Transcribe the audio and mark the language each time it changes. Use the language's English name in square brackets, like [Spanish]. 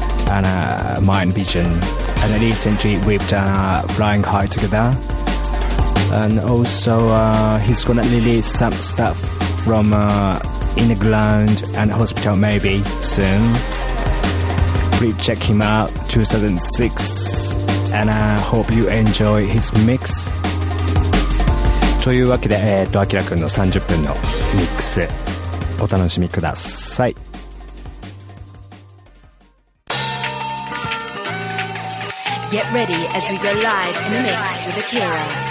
[English] And Mind Vision, and recently we've done Flying High together, and also he's gonna release some stuff from Inner Ground and Hospital maybe soon. Please check him out 2006, and I hope you enjoy his mix. [Japanese] というわけで、アキラくんの30分のミックスお楽しみください。 [English] Get ready as we go live in the mix with Akira.